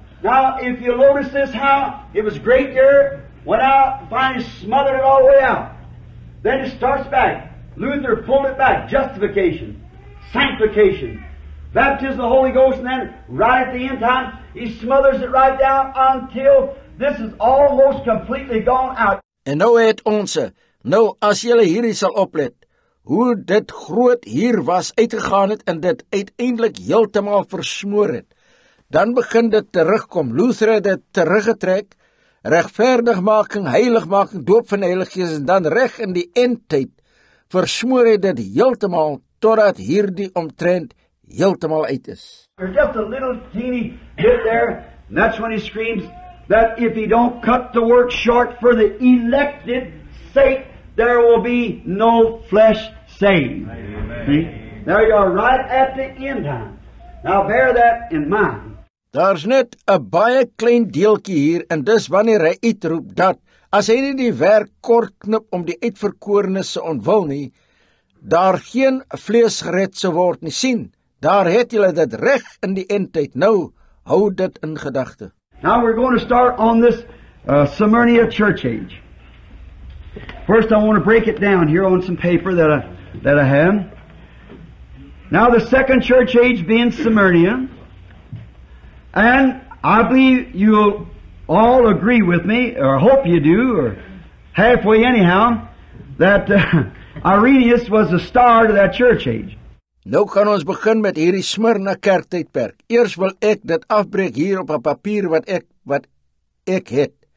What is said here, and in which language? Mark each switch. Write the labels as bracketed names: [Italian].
[English] Now, if you notice this, how it was great here, went out, finally smothered it all the way out. Then it starts back. Luther pulled it back. Justification. Sanctification, baptism of the Holy Ghost, and then right at the end time, he smothers it right down until this is almost completely gone out. [Afrikaans] En nou het ons, nou as julle hierdie sal oplet, hoe dit groot hier was uitgegaan het en dit uiteindelik heeltemal versmoor het, dan begin dit terugkom. Luther het dit teruggetrek, rechtvaardigmaking, heiligmaking, doop van heiliges, en dan recht in die eindtijd versmoor het dit heeltemal totdat hier die omtrent heeltemal uit is. [English] There's just a little teeny bit there, and that's when he screams that if he don't cut the work short for the elected sake, there will be no flesh saved. Amen. See? There you are right at the end time. Now bear that in mind. [Afrikaans] Daar's net 'n baie klein deeltjie hier, en dis wanneer hy uitroep dat, as hy nie die werk kort knip om die uitverkorenes se ontwil nie, daar geen vlees gered sou word nie. Sien, daar het julle dit reg in die eindtyd. Nou, hou dit in gedagte. [English] Now we're going to start on this Smyrna church age. First I want to break it down here on some paper that I have. Now the second church age being Smyrna. And I believe you'll all agree with me, or hope you do, or halfway anyhow, that Irenaeus was the star of that church age. [Afrikaans] Nou kan ons begin met hierdie Smyrna kerktydperk. Eers wil ek dit afbreek hier op 'n papier wat ek het.